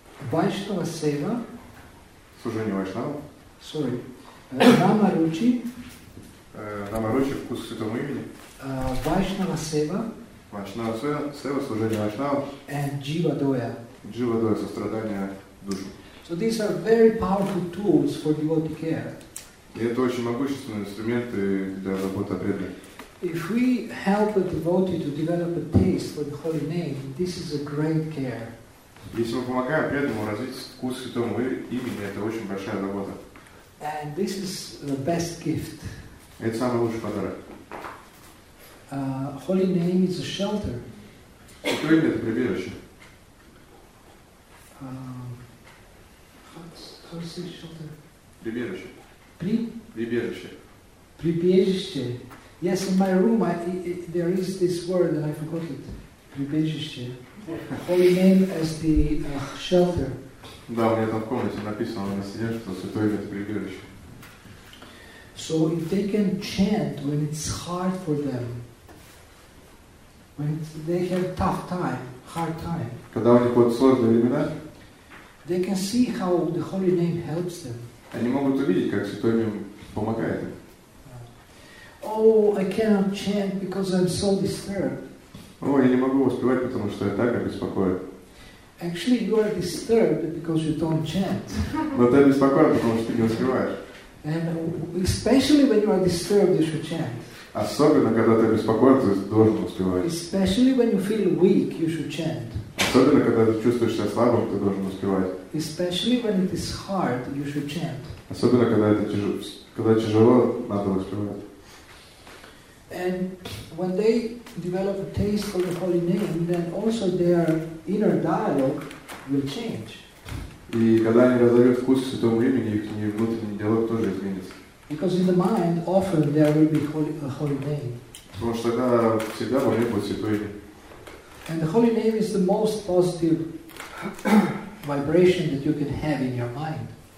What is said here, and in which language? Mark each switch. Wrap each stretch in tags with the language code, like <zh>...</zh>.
<ru>Вайшнава сева. Служение вайшнава.</ru> <en>Sorry. Намаручи.</en> <ru>Намаручи, вкус святого имени. Вайшнава сева. Вайшнава сева, служение вайшнава.</ru> <en>And джива доя.</en> <ru>Джива доя, сострадание души.</ru> <en>So these are very powerful tools for devotee care.</en> <ru>И это очень могущественные инструменты для работы о преданных.</ru> <en>If we help a devotee to develop a taste for the holy name, this is a great care.</en> <ru>Если мы помогаем преданному развить вкус святого имени, это очень большая работа.</ru> <en>And this is the best gift.</en> <ru>Это самый лучший подарок.</ru> <en>Holy name is a shelter.</en> <ru>Святое имя — это прибежище. Прибежище.</ru> <en>Yes, in my room there is this word and I forgot it.</en> <ru>Прибежище.</ru> <en>Holy name as the shelter.</en> <ru>Да, у меня там в комнате написано на стене, что святое имя — это прибежище.</ru> <en>So if they can chant when it's hard for them, when they have tough time, hard time.</en> <ru>Когда у них будут сложные времена.</ru> <en>They can see how the holy name helps them.</en> <ru>Они могут увидеть, как святое имя помогает им.</ru> <en>Oh, I cannot chant because I'm so disturbed.</en> <ru>Я не могу воспевать, потому что я так обеспокоен.</ru> <en>Actually, you are disturbed because you don't chant.</en> <ru>Но ты обеспокоен, потому что ты не воспеваешь.</ru> <en>And especially when you are disturbed, you should chant.</en> <ru>Особенно когда ты обеспокоен, ты должен воспевать.</ru> <en>Especially when you feel weak, you should chant.</en> <ru>Особенно когда ты чувствуешь себя слабым, ты должен успевать.</ru> <en>Especially when it is hard, you should chant.</en> <ru>Особенно когда это тяжело, надо успевать.</ru> <en>And when they develop a taste for the holy name, then also their inner dialogue will change.</en> <ru>И когда они разовьют вкус святого имени, их внутренний диалог тоже изменится.</ru> <en>Because in the mind often there will be a holy name.</en> <ru>Потому что тогда всегда во мне будет святое имя.</ru> <en>And the holy name is the most positive vibration that you can have in your mind.</en>